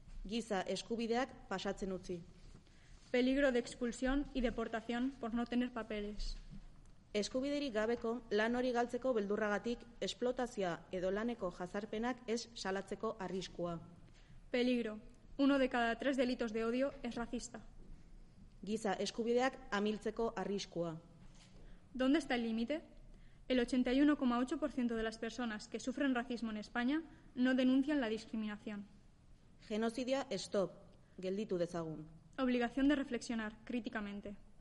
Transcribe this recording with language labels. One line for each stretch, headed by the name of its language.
Basque: Giza eskubideak pasatzen utzi.
Spanish: Peligro de expulsión y deportación por no tener papeles.
Basque: Eskubiderik gabeko lan hori galtzeko beldurragatik esplotazioa edo laneko jazarpenak ez salatzeko arriskua.
Spanish: Peligro. Uno de cada tres delitos de odio es racista.
Basque: Giza eskubideak amiltzeko arriskua.
Spanish: ¿Dónde está el límite? El 81,8% de las personas que sufren racismo en España no denuncian la discriminación.
Basque: Genocidia, stop. Gelditu dezagun.
Spanish: Obligación de reflexionar críticamente.